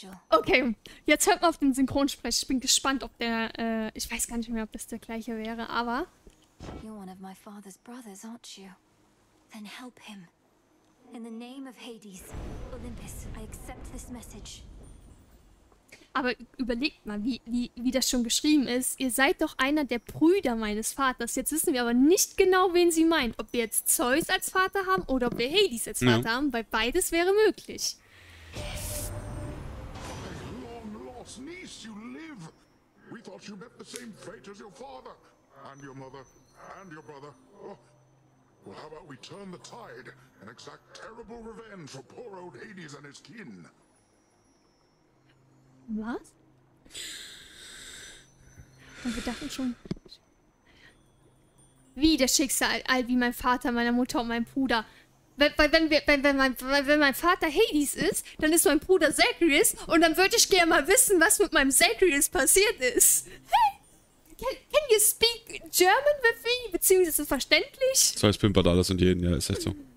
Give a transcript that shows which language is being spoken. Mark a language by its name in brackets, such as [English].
[German] Okay, jetzt hört man auf den Synchronsprecher. Ich bin gespannt, ob der, ich weiß gar nicht mehr, ob das der gleiche wäre, aber... [English] You're one of my father's brothers, aren't you? Then help him. In the name of Hades, Olympus, I accept this message. [German] Aber überlegt mal, wie das schon geschrieben ist. Ihr seid doch einer der Brüder meines Vaters. Jetzt wissen wir aber nicht genau, wen sie meint. Ob wir jetzt Zeus als Vater haben oder ob wir Hades als Vater haben, weil beides wäre möglich. [English] Long lost niece, you live. We thought you met the same fate as your father and your mother and your brother. Oh. Well, how about we turn the tide and exact terrible revenge for poor old Hades and his kin? [German] Was? Und wir dachten schon, wie das Schicksal, wie mein Vater, meine Mutter und mein Bruder. Wenn mein Vater Hades ist, dann ist mein Bruder Zagreus und dann würde ich gerne mal wissen, was mit meinem Zagreus passiert ist. [English] Can you speak German with me? [German] Beziehungsweise verständlich? So, es pimpert alles und jeden, ja, ist echt so.